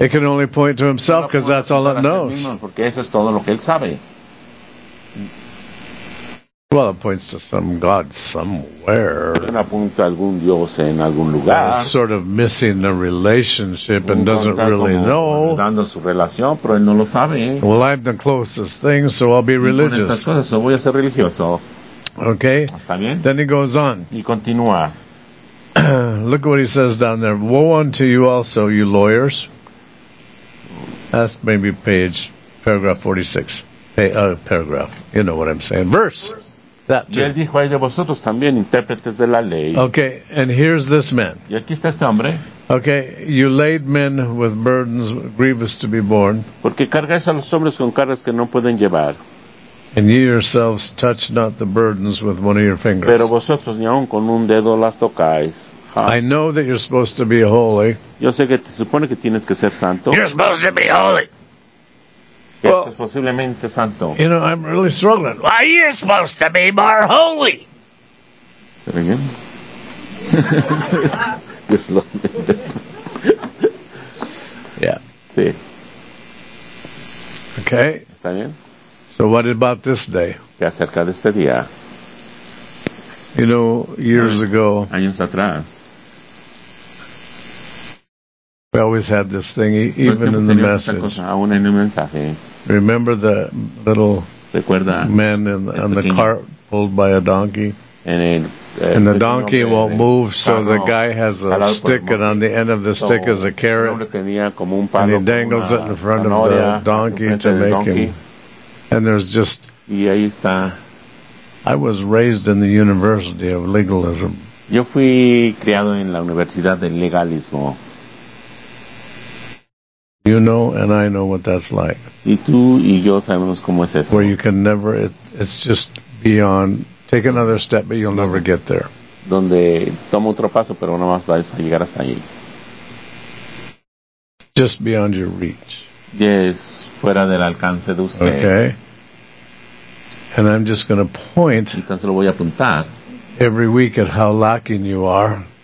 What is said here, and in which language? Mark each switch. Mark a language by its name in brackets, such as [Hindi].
[English] it can only point to himself because that's all it knows. [Spanish] Eso es todo lo que él sabe. [English] Well, it points to some God somewhere. [Spanish] Apunta algún Dios en algún lugar. [English] It's sort of missing the relationship and doesn't really know. [Spanish] Dando su relación, pero él no lo sabe. [English] Well, I'm the closest thing, so I'll be religious. [Spanish] Y con estas cosas, voy a ser religioso. [English] Okay. [Spanish] ¿Está bien? [English] Then he goes on. [Spanish] Y continúa. [English] Look what he says down there. Woe unto you also, you lawyers. That's maybe paragraph 46. Paragraph. You know what I'm saying. Verse. [Spanish] Y él dijo, hay de vosotros también intérpretes de la ley. [English] Okay, and here's this man. [Spanish] Y aquí está este hombre. [English] Okay, you laid men with burdens grievous to be borne. [Spanish] Porque cargáis a los hombres con cargas que no pueden llevar. [English] And ye yourselves touch not the burdens with one of your fingers. [Spanish] Pero vosotros ni aun con un dedo las tocáis. [English] I know that you're supposed to be holy. [Spanish] Yo sé que te supone que tienes que ser santo. [English] You're supposed to be holy. [Spanish] Well, santo. [English] You know, I'm really struggling. Why, you're supposed to be more holy. Say it again. Yeah. See. Okay. [Spanish] ¿Está bien? [English] So what about this day? [Spanish] ¿Qué acerca de este día? [English] You know, years ago. [Spanish] Años atrás. [English] We always had this thing, even in the message. [Spanish] Cosa, aún en el mensaje. [English] Remember the little [Spanish] ¿recuerda [English] man in the, on the cart pulled by a donkey? And the donkey won't move, so the guy has a stick, and on the end of the stick is a carrot. And he dangles it in front of the donkey to make him. And there's just. [Spanish] Y ahí está. [English] I was raised in the University of Legalism. [Spanish] Yo fui criado en la Universidad del Legalismo. [English] You know, and I know what that's like. [Spanish] Y tú y yo sabemos cómo es eso. [English] Where you can never, it's just beyond. Take another step, but you'll never get there. [Spanish] Donde toma otro paso, pero no más vas a llegar hasta allí. [English] Just beyond your reach. [Spanish] Yes, fuera del alcance de usted. [English] Okay. And I'm just going to point. [Spanish] Entonces lo voy a apuntar. [English] Every week at how lucky you are.